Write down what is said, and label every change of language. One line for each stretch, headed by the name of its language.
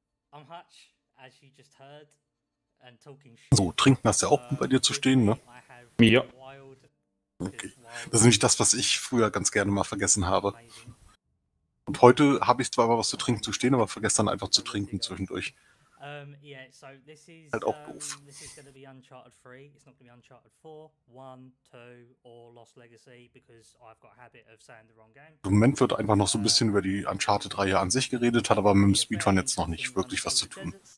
English: Am Hutch, as you just heard, and talking shit.
German: So, trinken hast du ja auch bei dir zu stehen, ne? Ja. Okay. Das ist nämlich das, was ich früher ganz gerne mal vergessen habe. Und heute habe ich zwar mal was zu trinken zu stehen, aber vergesse dann einfach zu trinken zwischendurch. Halt auch doof.
English: This is going to be Uncharted 3. It's not going to be Uncharted 4, 1, 2 or Lost Legacy, because I've got a habit of saying the wrong game.
German: Im Moment wird einfach noch so ein bisschen über die Uncharted 3 an sich geredet, hat aber mit dem Speedrun jetzt noch nicht wirklich was zu tun.